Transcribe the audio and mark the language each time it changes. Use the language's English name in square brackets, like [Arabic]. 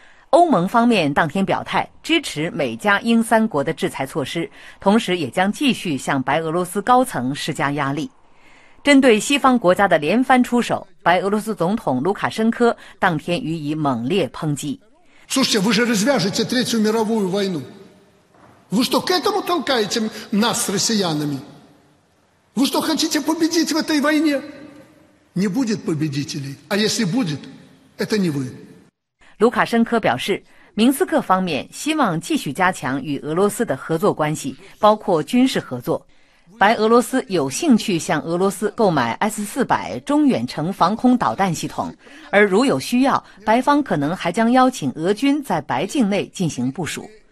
[Chinese] 欧盟方面当天表态支持美加英三国的制裁措施，同时也将继续向白俄罗斯高层施加压力。针对西方国家的连番出手，白俄罗斯总统卢卡申科当天予以猛烈抨击。 [Russian] Слушайте, вы же развяжете третью мировую войну. Вы что, к этому толкаете нас, россиянами? Вы что, хотите победить в этой войне? Не будет победителей. А если будет, это не вы. [Chinese] 卢卡申科表示，明斯克方面希望继续加强与俄罗斯的合作关系，包括军事合作。白俄罗斯有兴趣向俄罗斯购买 S-400 中远程防空导弹系统，而如有需要，白方可能还将邀请俄军在白境内进行部署。